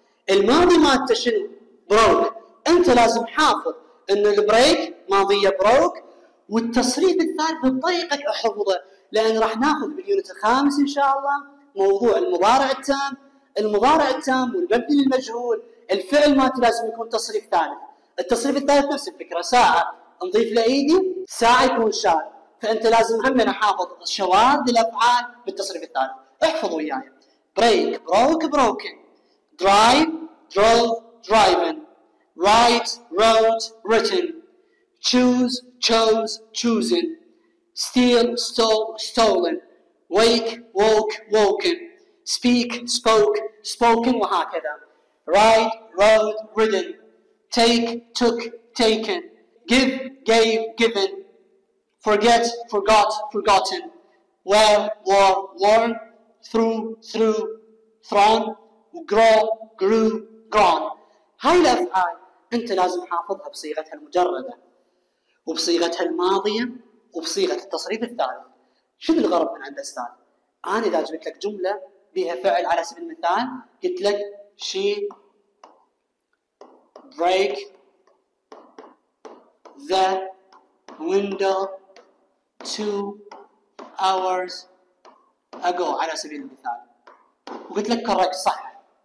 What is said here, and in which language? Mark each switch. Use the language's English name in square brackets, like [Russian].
[Arabic] الماضي مالته شنو بروك انت لازم حافظ ان البريك ماضيه بروك والتصريف الثالث بطريقك احفظه لان راح ناخذ باليونت الخامس ان شاء الله موضوع المضارع التام المضارع التام والمبني للمجهول الفعل مالته لازم يكون تصريف ثالث التصريف الثالث نفس الفكره ساعه نضيف لايدي ساعه يكون شاذ فانت لازم هم احافظ الشواذ الافعال بالتصريف الثالث احفظوا وياي يعني. [English] break broke broken drive drove driven write wrote written choose chose chosen steal stole stolen wake woke woken speak spoke spoken وهكذا write wrote written take took taken give gave given forget forgot forgotten wear wore worn through, through, thrown, grow, grew, grown. [Arabic] هاي الأفعال أنت لازم حافظها بصيغتها المجردة وبصيغتها الماضية وبصيغة التصريف الثالث. شنو الغرض من عند الأستاذ؟ أنا إذا جبت لك جملة بها فعل على سبيل المثال قلت لك [English] she break the window 2 hours ago [Arabic] على سبيل المثال وقلت لك correct صح.